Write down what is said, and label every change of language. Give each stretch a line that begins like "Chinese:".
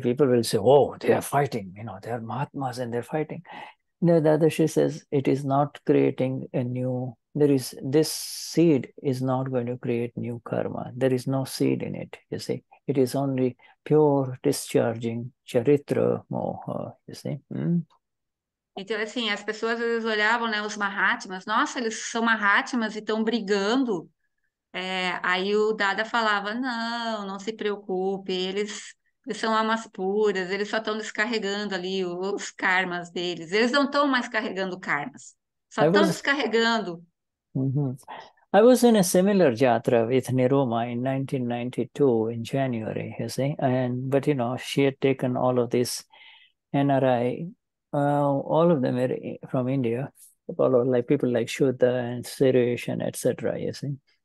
English: People will say, oh, they are fighting. They are Mahatmas and they're fighting. No, Dadashri says, it is not creating a new, this seed is not going to create new karma. There is no seed in it, you see. It is only pure discharging charitra moha, you see.
Portuguese: Então, assim, as pessoas às vezes olhavam, né, os Mahatmas, nossa, eles são Mahatmas e estão brigando. Aí o Dada falava, não se preocupe, eles são almas puras, eles só estão descarregando ali os karmas deles. Eles não estão mais carregando karmas, só estão descarregando.
English: I was in a similar jatra with Niruma in 1992 in January, you see. But she had taken all of this NRI, all of them from India, all of, like people like Shuddha and Sirish and etc., you see.